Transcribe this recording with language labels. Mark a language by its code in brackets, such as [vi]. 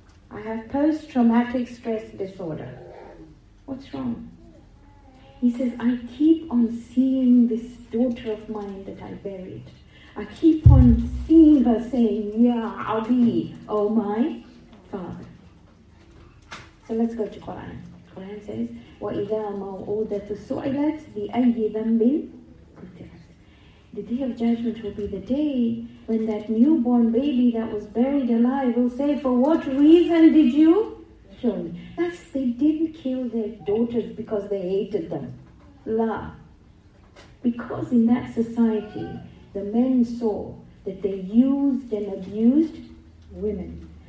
[en] I have post-traumatic stress disorder. What's wrong? He says, I keep on seeing this daughter of mine that I buried. I keep on seeing her saying, [ar] Ya Abi, [en] oh my father. So let's go to Quran. Quran says, [ar] وَإِذَا مَوْعُودَةُ سُعِلَتْ بِأَيِّ ذَنْبٍ قُتِلَتْ. [en] The day of judgment will be the day when that newborn baby that was buried alive will say, for what reason did you kill me? That's, they didn't kill their daughters because they hated them. La. Because in that society, the men saw that they used and abused women.